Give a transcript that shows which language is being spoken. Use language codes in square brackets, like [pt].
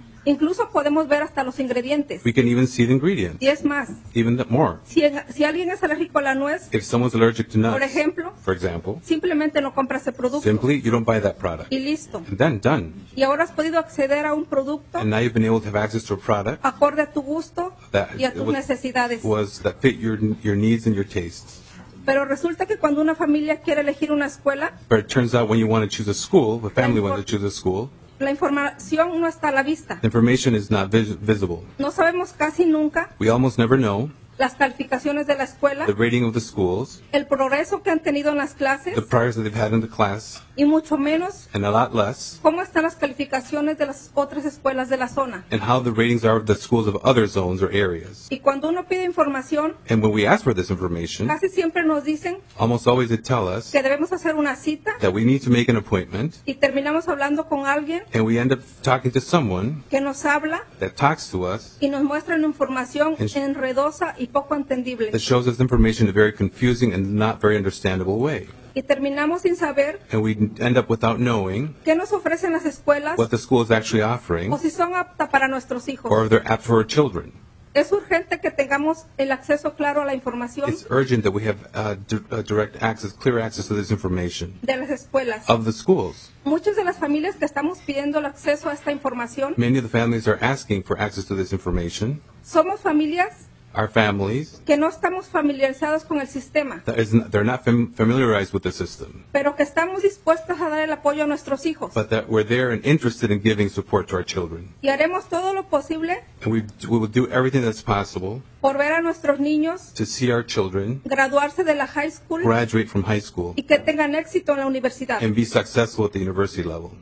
[es] Incluso podemos ver hasta los ingredientes. [en] We can even see the ingredients. [es] Y es más. [en] Even more. [es] Si alguien es alérgico a la nuez. [en] If someone's allergic to nuts. [es] Por ejemplo. [en] For example. [es] Simplemente no compras el producto. [en] Simply, you don't buy that product. [es] Y listo. [en] And then, done. [es] Y ahora has podido acceder a un producto. [en] And now you've been able to have access to a product. [es] Acorde a tu gusto y a tus necesidades. [en] That fit your needs and your tastes. [es] Pero resulta que cuando una familia quiere elegir una escuela. [en] But it turns out when you want to choose a school, the family wants to choose a school. [es] La información no está a la vista. [en] The information is not visible. [es] No sabemos casi nunca. [en] We almost never know. [es] Las calificaciones de la escuela. [en] The rating of the schools. [es] El progreso que han tenido en las clases. [en] The progress that they've had in the class. [es] Y mucho menos. [en] And a lot less. [es] Cómo están las calificaciones de las otras escuelas de la zona. [en] And how the ratings are of the schools of other zones or areas. [es] Y cuando uno pide información. [en] And when we ask for this information. [es] Casi siempre nos dicen. [en] Almost always they tell us. [es] Que debemos hacer una cita. [en] That we need to make an appointment. [es] Y terminamos hablando con alguien. [en] And we end up talking to someone. [es] Que nos habla. [en] That talks to us. [es] Y nos muestra una información enredosa y poco entendible. [en] That shows us information in a very confusing and not very understandable way. [es] Y terminamos sin saber. [en] And we end up without knowing. [es] ¿Qué nos ofrecen las escuelas? [en] What the school is actually offering. [es] O si son aptas para nuestros hijos. [en] Or if they're apt for our children. [es] Es urgente que tengamos el acceso claro a la información. [en] It's urgent that we have direct access, clear access to this information. [es] De las escuelas. [en] Of the schools. [es] Muchas de las familias que estamos pidiendo el acceso a esta información. [en] Many of the families are asking for access to this information. [es] Somos familias. [en] Our families. [es] Que no estamos familiarizados con el sistema. [en] They're not familiarized with the system. [es] Pero que estamos dispuestos a dar el apoyo a nuestros hijos. [en] But that we're there and interested in giving support to our children. [es] Y haremos todo lo posible. [en] And we will do everything that's possible. [es] Por ver a nuestros niños. [en] To see our children. [es] Graduarse de la [en] high school. Graduate from high school. [es] Y que tengan éxito en la universidad. [en] And be successful at the university level.